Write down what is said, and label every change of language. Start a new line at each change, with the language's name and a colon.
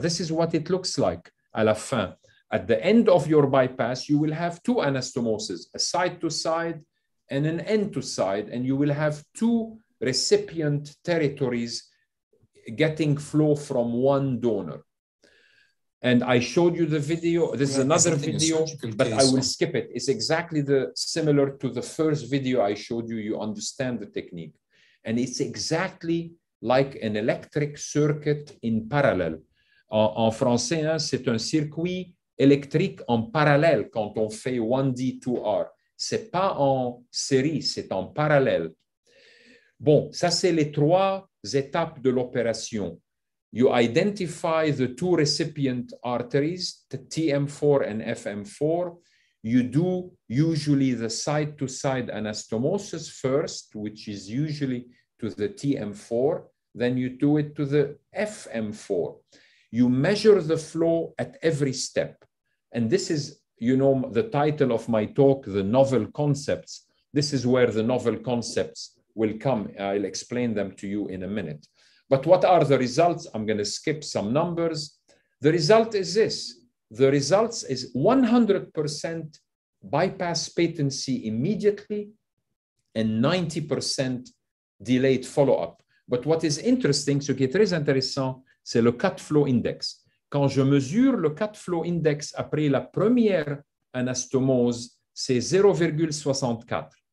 English: This is what it looks like
French: à la fin.
English: At the end of your bypass, you will have two anastomoses, a side-to-side and an end-to-side, and you will have two recipient territories getting flow from one donor. And I showed you the video. This is another video, but I will skip it. It's exactly the similar to the first video I showed you. You understand the technique. And it's exactly like an electric circuit in parallel.
French: En français, hein, c'est un circuit électrique en parallèle quand on fait 1D2R. C'est pas en série, c'est en parallèle. Bon, ça c'est les trois étapes de l'opération.
English: You identify the two recipient arteries, the TM4 and FM4. You do usually the side-to-side anastomosis first, which is usually to the TM4. Then you do it to the FM4. You measure the flow at every step. And this is, you know, the title of my talk, The Novel Concepts. This is where the novel concepts will come. I'll explain them to you in a minute. But what are the results? I'm going to skip some numbers. The result is this. The results is 100% bypass patency immediately and 90% delayed follow-up. But what is interesting,
French: ce qui est très intéressant, c'est le cut flow index. Quand je mesure le cut flow index après la première anastomose, c'est 0,64.